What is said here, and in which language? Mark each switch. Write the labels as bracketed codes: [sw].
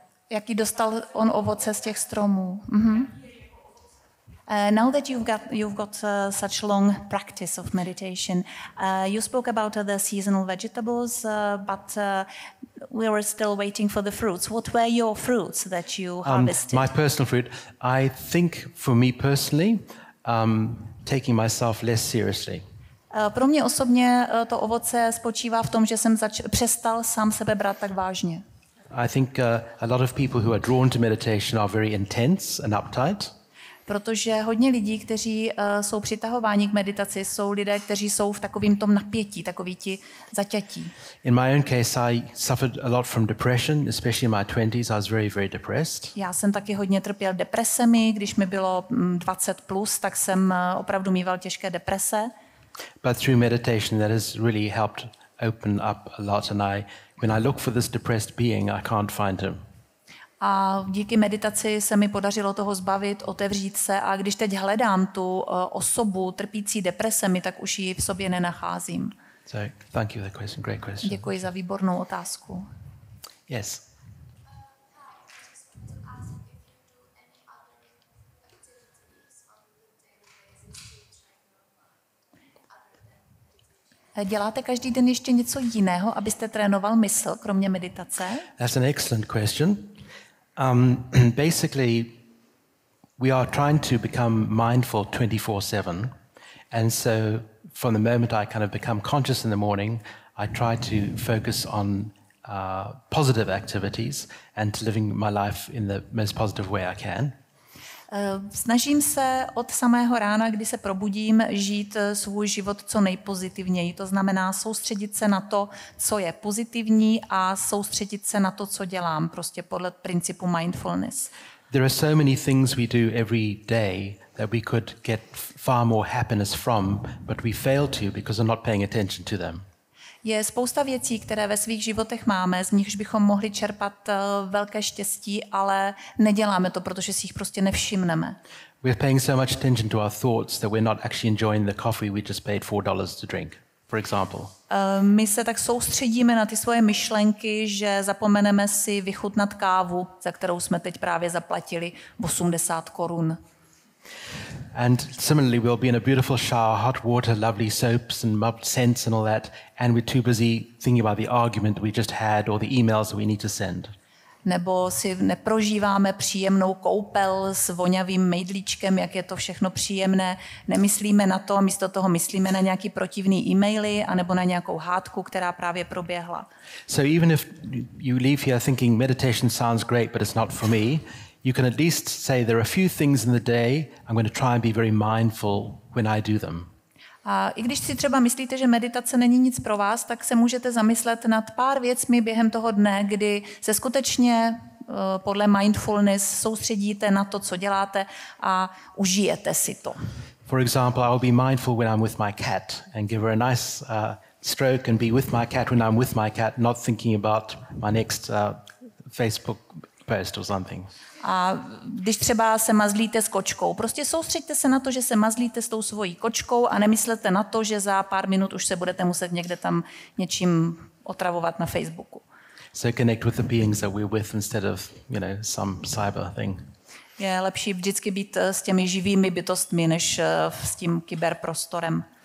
[cs] Jaký dostal on ovoce z těch stromů. Mm-hmm. [en] Now that you've got such long practice of meditation, you spoke about the seasonal vegetables, but We were still waiting for the fruits. What were your fruits that you harvested? My personal fruit, I think for me personally, taking myself less seriously. [cs] Pro mě osobně to ovoce spočívá v tom, že jsem přestal sám sebe brát tak vážně. [en] I think a lot of people who are drawn to meditation are very intense and uptight. [cs] Protože hodně lidí, kteří jsou přitahováni k meditaci, jsou lidé, kteří jsou v takovém tom napětí, takoví ti zaťatí. [en] In my own case I suffered a lot from depression, especially in my 20s, I was very very depressed. [cs] Já jsem taky hodně trpěl depresemi, když mi bylo 20 plus, tak jsem opravdu mýval těžké deprese. [en] But through meditation that has really helped open up a lot, and when I look for this depressed being, I can't find him. [cs] A díky meditaci se mi podařilo toho zbavit, otevřít se, a když teď hledám tu osobu trpící depresemi, tak už ji v sobě nenacházím. [en] So, thank you for the question. Great question. [cs] Děkuji za výbornou otázku. [en] Yes. [cs] Děláte každý den ještě něco jiného, abyste trénoval mysl, kromě meditace? [en] That's an excellent question. Basically, we are trying to become mindful 24/7, and so from the moment I kind of become conscious in the morning, I try to focus on positive activities and to living my life in the most positive way I can. [cs] Snažím se od samého rána, kdy se probudím, žít svůj život co nejpozitivněji. To znamená soustředit se na to, co je pozitivní, a soustředit se na to, co dělám, prostě podle principu mindfulness. [en] There are so many things we do every day that we could get far more happiness from, but we fail to because we're not paying attention to them. [cs] Je spousta věcí, které ve svých životech máme, z nichž bychom mohli čerpat velké štěstí, ale neděláme to, protože si jich prostě nevšimneme. [en] We're paying so much attention to our thoughts that we're not actually enjoying the coffee we just paid $4 to drink, for example. [cs] My se tak soustředíme na ty svoje myšlenky, že zapomeneme si vychutnat kávu, za kterou jsme teď právě zaplatili 80 korun. [en] And similarly, we'll be in a beautiful shower, hot water, lovely soaps and scents and all that, and we're too busy thinking about the argument we just had or the emails we need to send. [cs] Nebo si neprožíváme příjemnou koupel s vonavým mejdlíčkem, jak je to všechno příjemné. Nemyslíme na to, a místo toho myslíme na nějaký protivný e-maily anebo na nějakou hádku, která právě proběhla. [en] So even if you leave here thinking meditation sounds great, but it's not for me, you can at least say there are a few things in the day I'm going to try and be very mindful when I do them. [cs] A i když si třeba myslíte, že meditace není nic pro vás, tak se můžete zamyslet nad pár věcmi během toho dne, kdy se skutečně podle mindfulness soustředíte na to, co děláte, a užijete si to. [en] For example, I'll be mindful when I'm with my cat and give her a nice stroke and be with my cat when I'm with my cat, not thinking about my next Facebook post or something. [cs] A když třeba se mazlíte s kočkou, prostě soustřeďte se na to, že se mazlíte s tou svojí kočkou, a nemyslete na to, že za pár minut už se budete muset někde tam něčím otravovat na Facebooku. [en] So connect with the beings that we're with instead of, you know, some cyber thing. [cs] Je lepší vždycky být s těmi živými bytostmi než s tím kyberprostorem.